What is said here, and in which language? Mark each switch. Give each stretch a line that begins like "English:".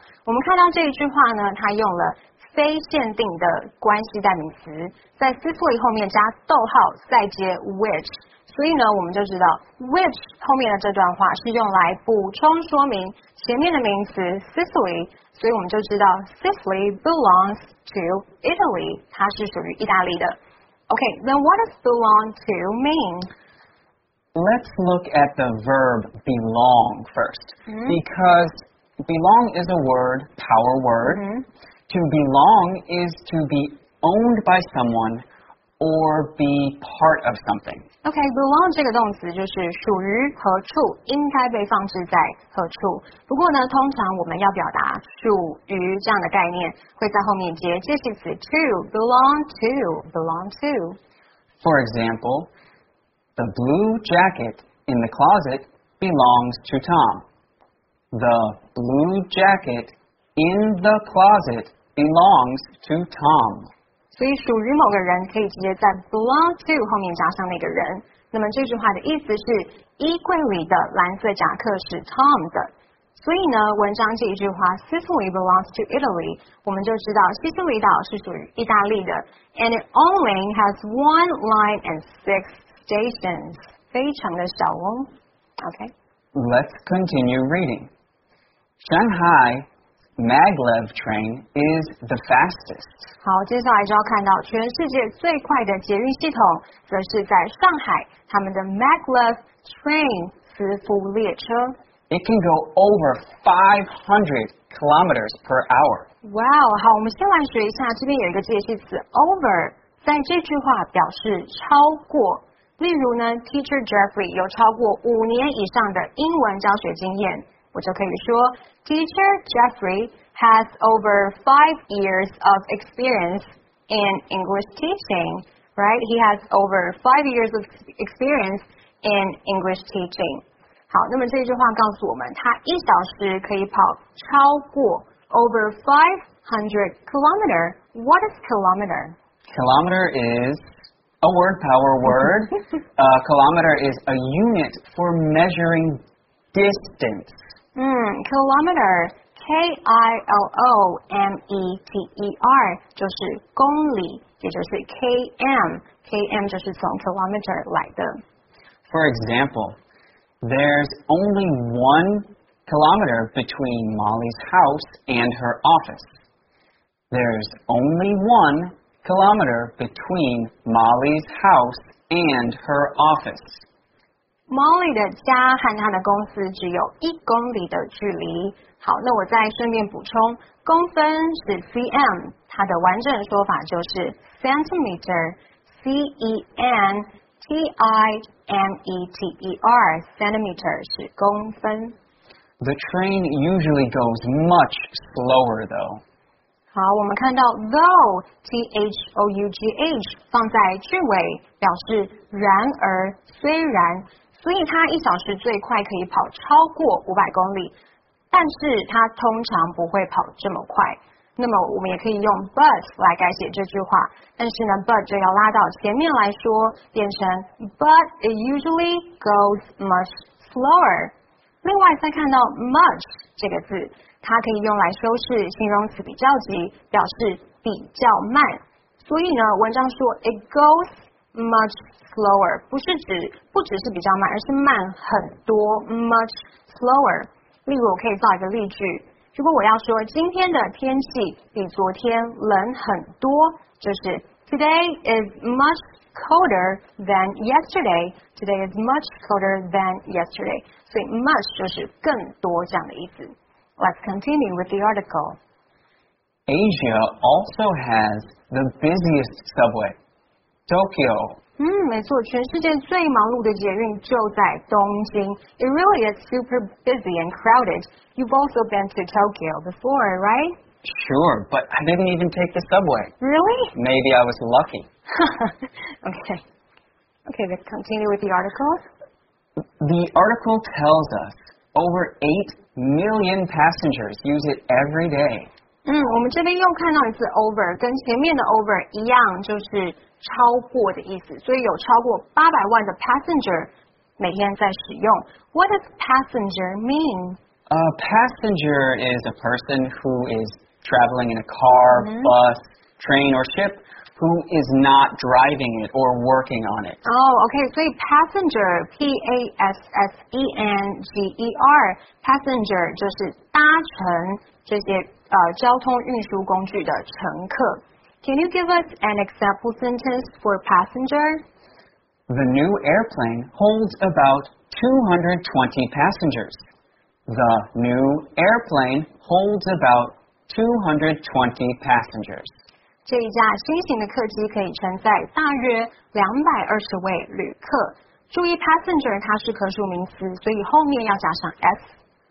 Chinese: 我们看到这一句话呢，它用了非限定的关系代名词，在斯托里后面加逗号，再接 which。所以呢，我们就知道 which 后面的这段话是用来补充说明前面的名词 Sicily。所以我们就知道
English: Sicily belongs to Italy，
Chinese: 它是属于意大利的。
English: Okay, then what does belong to mean? Let's look at the verb belong first. Mm-hmm. Because belong is a word, power word. Mm-hmm. To belong is to be owned by someone or be part of something.
Chinese: Okay, belong 这个动词就是属于何处，应该被放置在何处。不过呢，通常我们要表达属于这样的概念，会在后面接介系词 to, belong to, belong to.
English: For example, the blue jacket in the closet belongs to Tom. The blue jacket in the closet belongs to Tom.
Chinese: 所以属于某个人可以直接在 belong to 后面加上那个人。那么这句话的意思是衣柜里的蓝色夹克是 Tom 的。所以呢，文章这一句话
English: Sicily belongs to Italy，
Chinese: 我们就知道西西里岛是属于意大利的。
English: And it only has one line and six stations，
Chinese: 非常的小哦。
English: Okay. Let's continue reading. Shanghai. Maglev train is the fastest.
Chinese: 好，接下来就要看到全世界最快的捷运系统，则是在上海，他们的 Maglev train 磁浮列车。
English: It can go over 500 kilometers per hour.
Chinese: Wow, 好，我们先来学一下，这边有一个介系词 over， 在这句话表示超过。例如呢 ，Teacher Jeffrey 有超过五年以上的英文教学经验。我就可以说
English: ,Teacher Jeffrey has over 5 years of experience in English teaching, right? He has over 5 years of experience in English teaching.
Chinese: 好，那么这句话告诉我们他一小时可以跑超过
English: over 500 kilometer. What is kilometer? Kilometer is... A word power word. A kilometer is a unit for measuring distance.
Chinese: Kilometer, K-I-L-O-M-E-T-E-R, 就是公里，也就是 KM, KM 就是从 kilometer 来的。
English: For example, There's only 1 kilometer between Molly's house and her office. There's only 1 kilometer between Molly's house and her office.
Chinese: Molly 的家和她的公司只有1公里的距离。好，那我再顺便补充，公分是 cm， 它的完整说法就是 centimeter， centimeter， centimeter 是公分。
English: The train usually goes much slower, though.
Chinese: 好，我们看到 though th-o-u-g-h 放在句尾，表示然而、虽然，所以它一小时最快可以跑超过500公里。但是它通常不会跑这么快，那么我们也可以用 but 来改写这句话，但是呢 but 就要拉到前面来说，变成
English: but it usually goes much slower。
Chinese: 另外再看到 much 这个字，它可以用来修饰形容词比较级，表示比较慢，所以呢文章说
English: it goes much slower
Chinese: 不是指不只是比较慢，而是慢很多 much slower。例如我可以造一个例句，如果我要说今天的天气比昨天冷很多，就是
English: Today is much colder than yesterday. Today is much colder than yesterday.
Chinese: 所以 much 就是更多这样的意思。
English: Let's continue with the article. Asia also has the busiest subway, Tokyo.
Chinese: 没错，全世界最忙碌的捷运就在东京。
English: It really is super busy and crowded. You've also been to Tokyo before, right? Sure, but I didn't even take the subway. Really? Maybe I was lucky. Okay, let's continue with the article. The article tells us over 8 million passengers use it every day.
Chinese: 我们这边又看到一次 over， 跟前面的 over 一样，就是超过的意思，所以有超过800万的 passenger 每天在使用。
English: What does passenger mean? A passenger is a person who is traveling in a car, bus, train, or ship who is not driving it or working on it. Oh, okay.
Chinese: 所以 passenger, P-A-S-S-E-N-G-E-R, passenger 就是搭乘这些交通运输工具的乘客。
English: Can you give us an example sentence for passenger? The new airplane holds about 220 passengers. The new airplane holds about 220 passengers.
Chinese: 这一架新型的客机可以承载大约220位旅客。注意 passenger 它是可数名词，所以后面要加上 s.